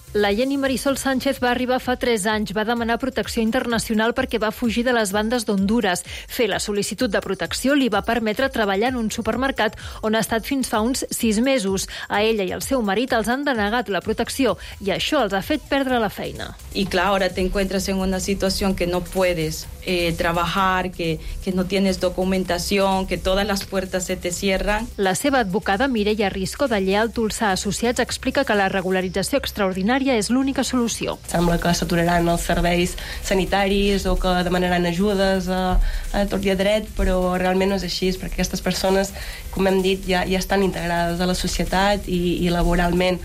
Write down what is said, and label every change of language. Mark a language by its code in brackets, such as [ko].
[ca] La Jenny Marisol Sánchez va arribar fa 3 anys. Va demanar protecció internacional perquè va fugir de les bandes d'Honduras. Fer la sol·licitud de protecció li va permetre treballar en un supermercat on ha estat fins fa uns 6 mesos. A ella i al seu marit els han denegat la protecció i això els ha fet perdre la feina. [es] Y claro, ahora te encuentras en una situación que no puedes trabajar, que no tienes documentación, que todas las puertas se te cierran. [ca] La seva advocada, Mireia Risco, de Lleal Tulsà Associats, explica que la regularització extraordinària és l'única solució. Sembla que s'aturaran els serveis sanitaris o que demanaran ajudes a torni a dret, però realment no és així, perquè aquestes persones, com hem dit, ja estan integrades a la societat i laboralment.